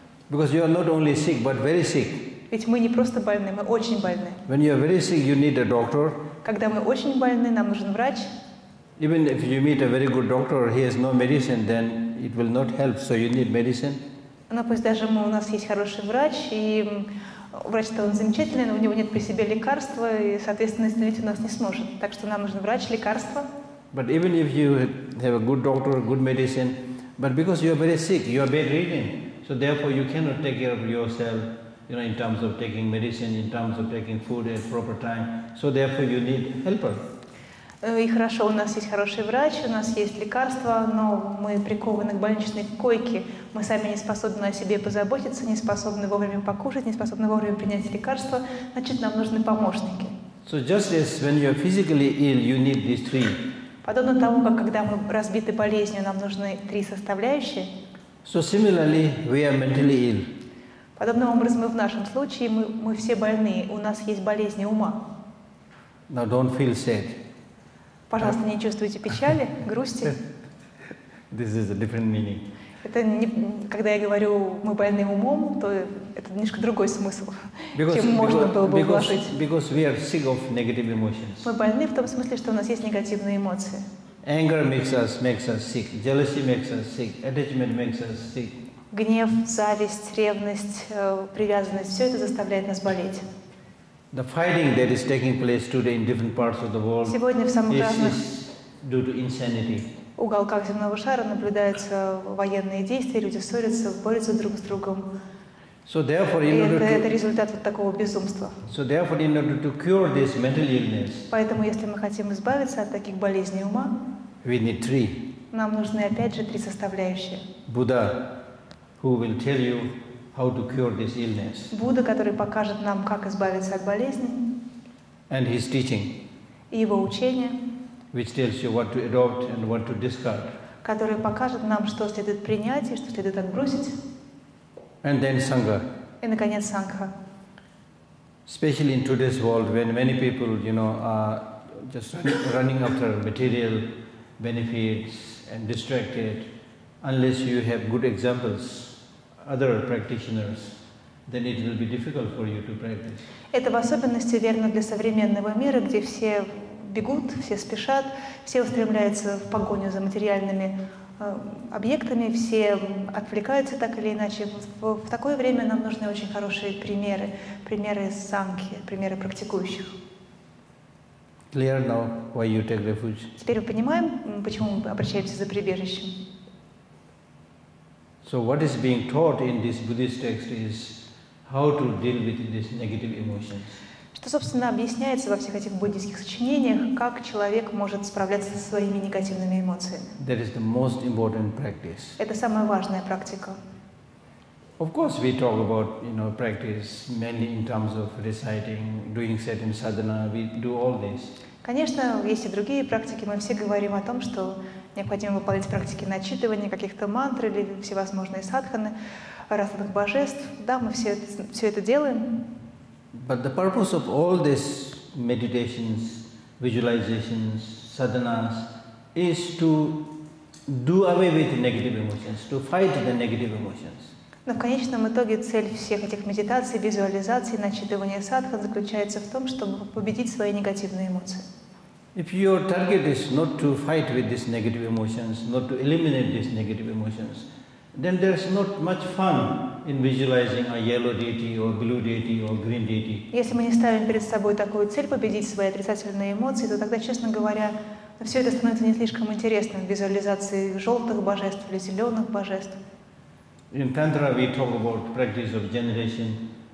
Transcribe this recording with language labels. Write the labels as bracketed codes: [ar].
[en] Because you are not only sick, but very sick. [ru] Ведь мы не просто больны, мы очень больны. [en] When you are very sick, you need a doctor. [ru] Когда мы очень больны, нам нужен врач. [en] Even if you meet a very good doctor, he has no medicine, then it will not help. So you need medicine. [ru] Но пусть даже у нас есть хороший врач, и врач-то он замечательный, но у него нет при себе лекарства, и, соответственно, остановить у нас не сможет. Так что нам нужен врач, лекарство. [en] But even if you have a good doctor, good medicine, but because you are very sick, you are bedridden, so therefore you cannot take care of yourself, you know, in terms of taking medicine, in terms of taking food at proper time, so therefore you need helper. [ru] И хорошо, у нас есть хороший врач, у нас есть лекарства, но мы прикованы к больничной койке. Мы сами не способны о себе позаботиться, не способны вовремя покушать, не способны вовремя принять лекарства. Значит, нам нужны помощники. [en] So just as when you are physically ill, you need these three. [ru] Подобно тому, как когда мы разбиты болезнью, нам нужны три составляющие. [en] So similarly, we are mentally ill. [ru] Подобным образом, в нашем случае, мы все больны, у нас есть болезни ума. [en] Now don't feel sad. [ru] Пожалуйста, не чувствуйте печали, грусти. [en] This is a different meaning. [ru] Это не, когда я говорю, мы больны умом, то это немножко другой смысл, [en] because, [ru] чем можно было бы вложить. [en] Because we are sick of negative emotions. [ru] Мы больны в том смысле, что у нас есть негативные эмоции. [en] Anger makes us sick. Jealousy makes us sick. Attachment makes us sick. [ru] Гнев, зависть, ревность, привязанность — все это заставляет нас болеть. [en] The fighting that is taking place today in different parts of the world is due to insanity. [ru] Уголках земного шара наблюдаются военные действия, люди ссорятся, борются друг с другом. [en] So therefore, in order to [ru] это результат вот такого безумства. [en] So therefore, in order to cure this mental illness. [ru] Поэтому, если мы хотим избавиться от таких болезней ума, [en] we need three. [ru] Нам нужны опять же три составляющие. [en] Buddha, who will tell you how to cure this illness. [ru] Будда, который покажет нам, как избавиться от болезни. [en] And his teaching. [ru] И его учение. [en] Which tells you what to adopt and what to discard. [ru] Которое покажет нам, что следует принять и что следует отбросить. [en] And then sangha. [ru] И наконец сангха. [en] Especially in today's world, when many people, you know, are just running after material benefits and distracted, unless you have good examples. Other practitioners, then it will be difficult for you to practice. [ru] Это в особенности верно для современного мира, где все бегут, все спешат, все устремляются в погоню за материальными объектами, все отвлекаются так или иначе. В такое время нам нужны очень хорошие примеры, примеры сангхи, примеры практикующих. [en] Clear now why you take refuge. [ru] Теперь мы понимаем, почему мы обращаемся за прибежищем. [en] So what is being taught in this Buddhist text is how to deal with these negative emotions. [ru] Что, собственно, объясняется во всех этих буддийских сочинениях, как человек может справляться со своими негативными эмоциями? [en] That is the most important practice. [ru] Это самая важная практика. [en] Of course, we talk about, you know, practice mainly in terms of reciting, doing certain sadhana. We do all this. [ru] Конечно, есть и другие практики. Мы все говорим о том, что необходимо выполнять практики начитывания, каких-то мантр или всевозможные садханы, разных божеств. Да, мы все это делаем. [en] But the purpose of all these meditations, visualizations, sadhanas is to do away with negative emotions, to fight the negative emotions. [ru] Но в конечном итоге цель всех этих медитаций, визуализаций, начитывания садхан заключается в том, чтобы победить свои негативные эмоции. [en] If your target is not to fight with these negative emotions, not to eliminate these negative emotions, then there's not much fun in visualizing a yellow deity or blue deity or green deity. [ru] Если мы не ставим перед собой такую цель победить свои отрицательные эмоции, то тогда, честно говоря, все это становится не слишком интересным — визуализации желтых божеств или зеленых божеств. [en] In Tantra, we talk about practice of generation,